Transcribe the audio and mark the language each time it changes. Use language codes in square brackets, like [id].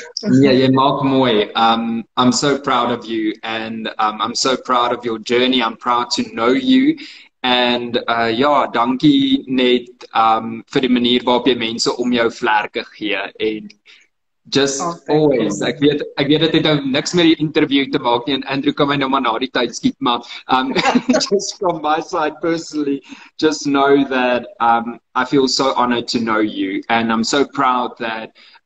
[en] Yeah, Mark Moy, I'm so proud of you, and I'm so proud of your journey. I'm proud to know you. And [af] dankie net vir die manier waarop jy mense om jou vlerke gee. [en] And just always, [af] ek weet dit het nou niks met die interview te maak nie, en Andrew kan my nou maar na die tyd skiet, [en] maar just from my side personally, just know that I feel so honored to know you, and I'm so proud that